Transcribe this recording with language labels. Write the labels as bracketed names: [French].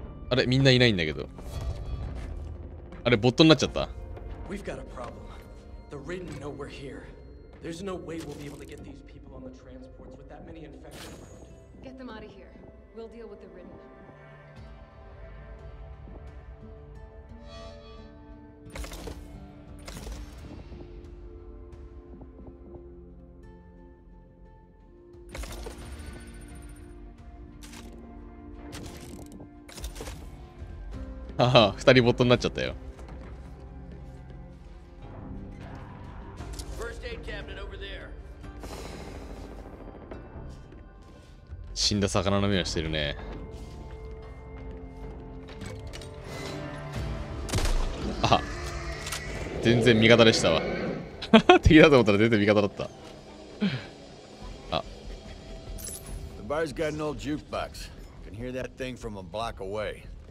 [Japanese] あれ、みんないないんだけど。あれ、ボットになっちゃった。 [English] We've got a problem. The Raiden know we're here. There's no way we'll be able to get these people on the transports with that many infected. Get them out of here. We'll deal with the Raiden. [Japanese] ああ、二人ボットになっちゃったよ。死んだ魚の目をしてるね。あ、全然味方でしたわ。敵だと思ったら全然味方だった。 [English] あ。The bar's got an old jukebox. Can hear that thing from a block away.